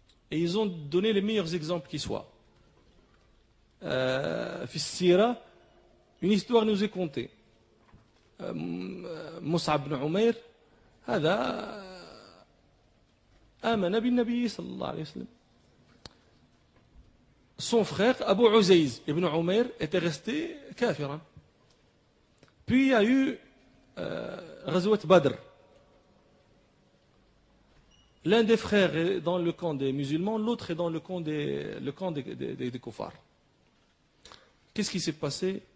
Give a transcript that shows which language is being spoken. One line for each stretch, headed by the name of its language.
French: Et ils ont donné les meilleurs exemples qui soient. Fissira, une histoire nous est contée.
Arabic: Moussa ibn Umair, هذا آمن بالنبي صلى الله عليه وسلم.
French: Son frère أبو عزيز ابن عمير était resté كافرا. Puis il y a eu غزوة بدر. L'un des frères est dans le camp des musulmans, l'autre est dans le camp des kuffars. Qu'est-ce qui s'est passé?